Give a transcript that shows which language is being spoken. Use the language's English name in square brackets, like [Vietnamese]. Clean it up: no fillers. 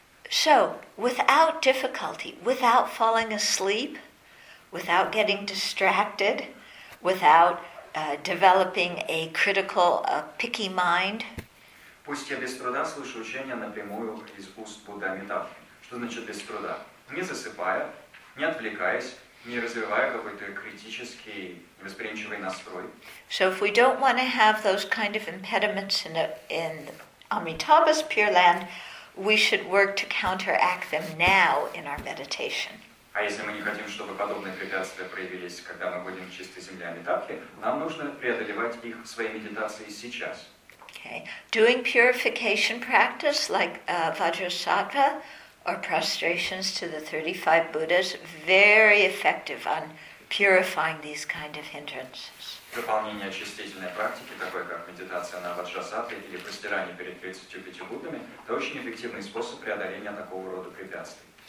[English] So, without difficulty, without falling asleep, without getting distracted, without developing a critical, picky mind. [Russian] Пусть я без труда слышу учение напрямую из уст Будды Амитабхи. Что значит без труда? Не засыпая, не отвлекаясь, не развивая какой-то критический, невосприимчивый настрой. [English] So if we don't want to have those kind of impediments in Amitabha's Pure Land, we should work to counteract them now in our meditation. [Russian] А если мы не хотим, чтобы подобные препятствия проявились, когда мы будем в чистой земле Амитабхи, нам нужно преодолевать их в своей медитации сейчас. [English] Okay. Doing purification practice like Vajrasattva or prostrations to the 35 Buddhas very effective on purifying these kind of hindrances. [Russian] Выполнение очистительной практики, такой как медитация на Ваджрасаттве или простирание перед 35 Буддами, это очень эффективный способ преодоления такого рода препятствий.